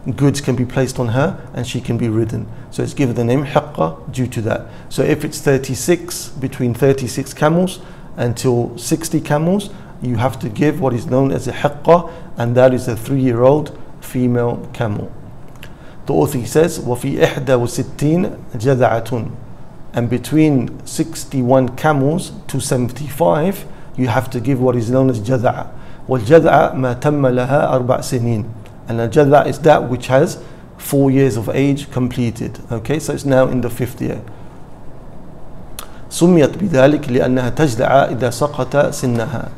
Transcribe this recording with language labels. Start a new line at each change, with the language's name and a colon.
English: Goods can be placed on her and she can be ridden. So it's given the name حقة due to that. So if it's 36, between 36 camels until 60 camels, you have to give what is known as a حقة, and that is a three-year-old female camel. The author says,
Arabic: وَفِي إِحْدَى وَسِتِّينَ جَذَعَةٌ.
English: And between 61 camels to 75, you have to give what is known as jada'a.
Arabic: Wal jada'a ma tamma laha arba' sinin.
English: And a jada'a is that which has 4 years of age completed. Okay, so it's now in the fifth year.
Arabic: Summiyat bidhalik li'annaha tajda'a idha saqata sinnaha.